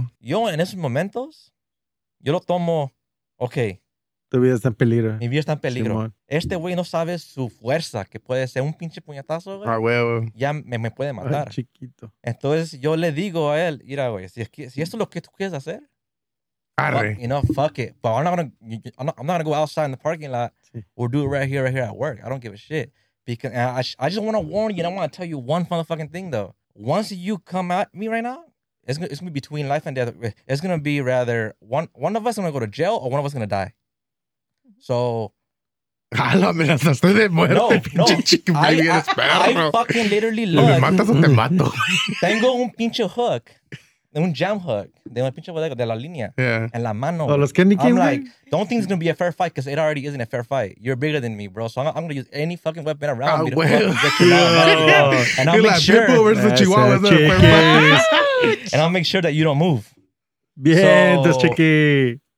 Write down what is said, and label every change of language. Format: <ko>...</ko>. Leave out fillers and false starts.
<es>So, yo en esos momentos, yo lo tomo, ok... Tu vida está en peligro. Mi vida está en peligro. Simón. Este güey no sabe su fuerza, que puede ser un pinche puñetazo, güey. Ah, güey. Ya me puede matar. Ay, chiquito. Entonces yo le digo a él, mira, güey, si esto es lo que tú quieres hacer, arre.</es> <en>Fuck, you know, fuck it. But I'm not gonna go outside in the parking lot or do it right here at work. I don't give a shit. Because I just want to warn you, and I want to tell you one motherfucking thing, though. Once you come at me right now, it's gonna be between life and death. It's gonna be rather one of us gonna go to jail or one of us gonna die. So,</en> <es>a la amenaza, estoy de muerte, pinche chiquibaby, eres perro.</es> <en>I fucking literally look.</en> <es>O me matas o te mato. Tengo un pinche hook, un jam hook, de una pinche bodega, de la línea,</es> <en>yeah,</en> <es>en la mano. O los candy cane.</es> <en>I'm like, don't think it's going to be a fair fight, because it already isn't a fair fight. You're bigger than me, bro. So I'm going to use any fucking weapon around me. Ah, well. And I'll make sure. People versus chihuahuas are a fair fight. And I'll make sure that you don't move.</en> <es>Bien, dos chiqui.</es>